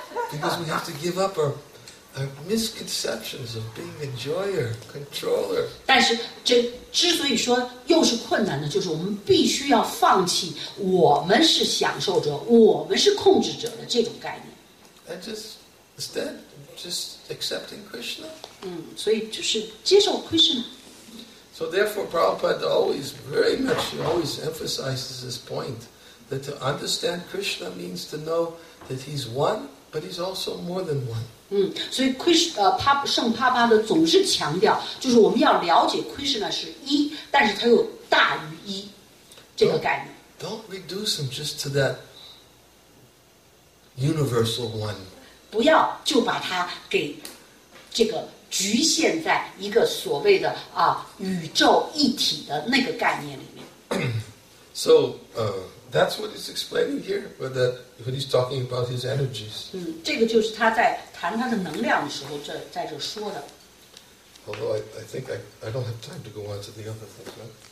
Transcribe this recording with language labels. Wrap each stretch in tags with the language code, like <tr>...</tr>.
<en>Because we have to give up our misconceptions of being enjoyer, controller.</en> <zh>但是这之所以说又是困难的，就是我们必须要放弃我们是享受者，我们是控制者的这种概念。</zh> <en>And just instead, just accepting Krishna.</en> <zh>所以就是接受 Krishna.</zh> <en>So therefore, Prabhupada always very much always emphasizes this point that to understand Krishna means to know that he's one But he's also more than one.</en> <zh>所以 Krishna 圣帕巴的总是强调，就是我们要了解 Krishna 是一，但是他又大于一这个概念。</zh> <en>Don't reduce him just to that universal one.</en> <zh>不要就把他给这个局限在一个所谓的啊宇宙一体的那个概念里面。</zh> <en>So, that's what he's explaining here, but that when he's talking about his energies.</en> <zh>这个就是他在谈他的能量的时候这在这说的。</zh> <en>Although I think I don't have time to go on to the other things, right?</en>